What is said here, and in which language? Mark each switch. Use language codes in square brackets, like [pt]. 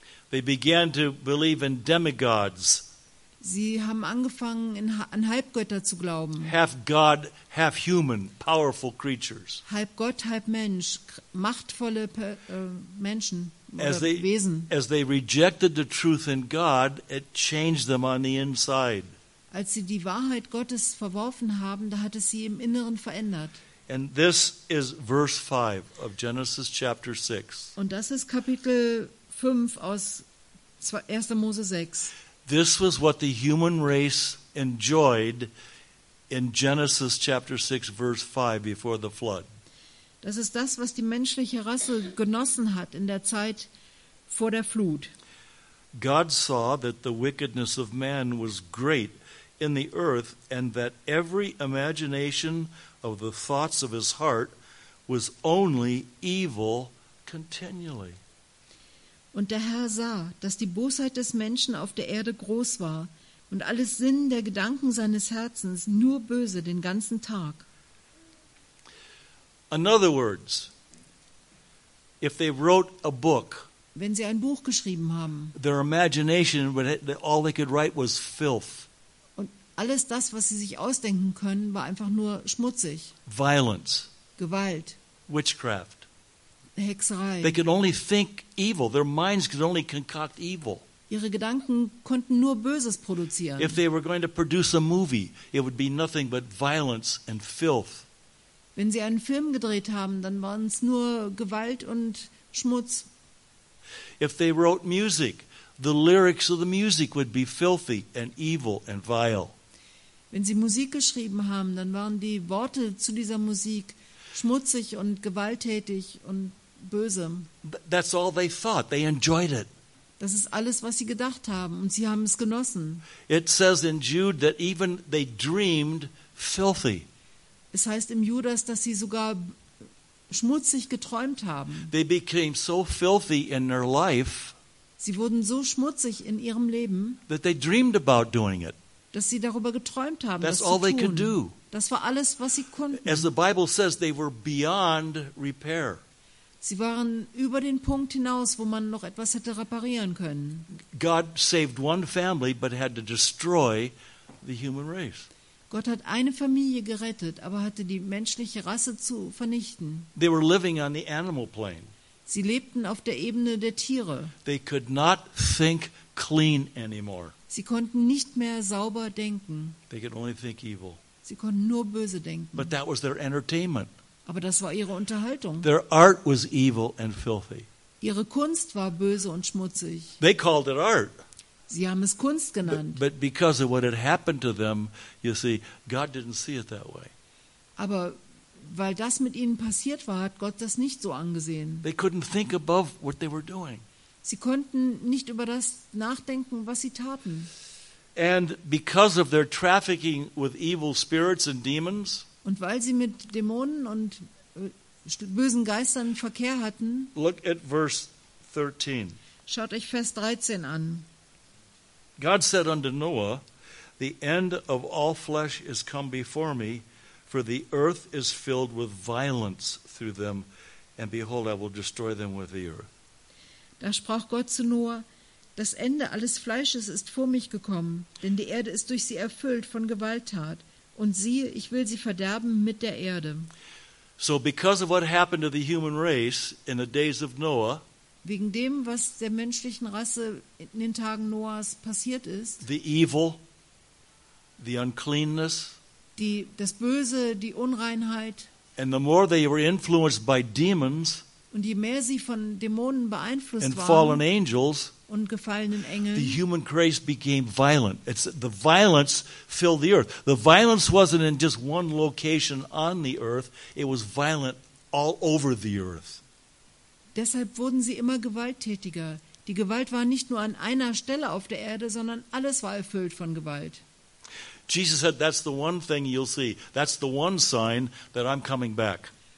[en] They began to believe in demigods. [de] Sie haben angefangen an Halbgötter zu glauben. [en] Half God, half human, powerful creatures. [de] Halb Gott, halb Mensch, machtvolle Menschen oder Wesen. [en] As they rejected the truth in God, it changed them on the inside. [de] Als sie die Wahrheit Gottes verworfen haben, da hat es sie im Inneren verändert. [en] And this is verse 5 of Genesis chapter 6. [de] Und das ist Kapitel 5 aus 1. Mose 6. [en] This was what the human race enjoyed in Genesis chapter 6 verse 5 before the flood. [de] Das ist das, was die menschliche Rasse genossen hat in der Zeit vor der Flut. [en] God saw that the wickedness of man was great in the earth and that every imagination of the thoughts of his heart was only evil continually. [de] Und der Herr sah, dass die Bosheit des Menschen auf der Erde groß war und alles Sinn der Gedanken seines Herzens nur böse den ganzen Tag. [en] In other words, if they wrote a book, [de] wenn sie ein Buch geschrieben haben, [en] their imagination, all they could write was filth. [de] Und alles das, was sie sich ausdenken können, war einfach nur schmutzig. [en] Violence. [de] Gewalt. [en] Witchcraft. [de] Hexerei. [en] They could only think evil. Their minds could only concoct evil. [de] Ihre Gedanken konnten nur Böses produzieren. [en] If they were going to produce a movie, it would be nothing but violence and filth. [de] Wenn sie einen Film gedreht haben, dann waren es nur Gewalt und Schmutz. [en] If they wrote music, the lyrics of the music would be filthy and evil and vile. [de] Wenn sie Musik geschrieben haben, dann waren die Worte zu dieser Musik schmutzig und gewalttätig und böse. [en] That's all they thought. They enjoyed it. [de] Das ist alles, was sie gedacht haben, und sie haben es genossen. [en] It says in Jude that even they dreamed filthy. [de] Es heißt im Judas, dass sie sogar schmutzig geträumt haben. [en] They became so filthy in their life. [de] Sie wurden so schmutzig in ihrem Leben. [en] That they dreamed about doing it. [de] Dass sie darüber geträumt haben, [en] That's [de] das [en] all [de] zu tun. [en] They could do. [de] Das war alles, was sie konnten. [en] As the Bible says, they were beyond repair. [de] Sie waren über den Punkt hinaus, wo man noch etwas hätte reparieren können. [en] God saved one family, but had to destroy the human race. [de] Gott hat eine Familie gerettet, aber hatte die menschliche Rasse zu vernichten. [en] They were living on the animal plane. [de] Sie lebten auf der Ebene der Tiere. [en] They could not think clean anymore. [de] Sie konnten nicht mehr sauber denken. [en] They could only think evil. [de] Sie konnten nur böse denken. [en] But that was their entertainment. [de] Aber das war ihre Unterhaltung. [en] Their art was evil and filthy. [de] Ihre Kunst war böse und schmutzig. [en] They called it art. [de] Sie haben es Kunst genannt. [en] But because of what had happened to them, you see, God didn't see it that way. [de] Aber weil das mit ihnen passiert war, hat Gott das nicht so angesehen. [en] They couldn't think above what they were doing. [de] Sie konnten nicht über das nachdenken, was sie taten. [en] And because of their trafficking with evil spirits and demons, [de] und weil sie mit Dämonen und bösen Geistern Verkehr hatten, [en] look at verse 13. [de] Schaut euch Vers 13 an. [en] God said unto Noah, the end of all flesh is come before me, for the earth is filled with violence through them, and behold, I will destroy them with the earth. [de] Da sprach Gott zu Noah, das Ende alles Fleisches ist vor mich gekommen, denn die Erde ist durch sie erfüllt von Gewalttat. Und siehe, ich will sie verderben mit der Erde. [en] So because of what happened to the human race in the days of Noah, [de] wegen dem, was der menschlichen Rasse in den Tagen Noahs passiert ist, [en] the evil, the uncleanness, [de] das Böse, die Unreinheit, [en] and the more they were influenced by demons, [de] und je mehr sie von Dämonen beeinflusst [en] and [de] waren, [en] fallen angels, [de] und gefallenen Engeln, [en] the human race became violent. It's the violence filled the earth. The violence wasn't in just one location on the earth. It was violent all over the earth. [de] Deshalb wurden sie immer gewalttätiger. Die Gewalt war nicht nur an einer Stelle auf der Erde, sondern alles war erfüllt von Gewalt. [en] Jesus said, "That's the one thing you'll see. That's the one sign that I'm coming back."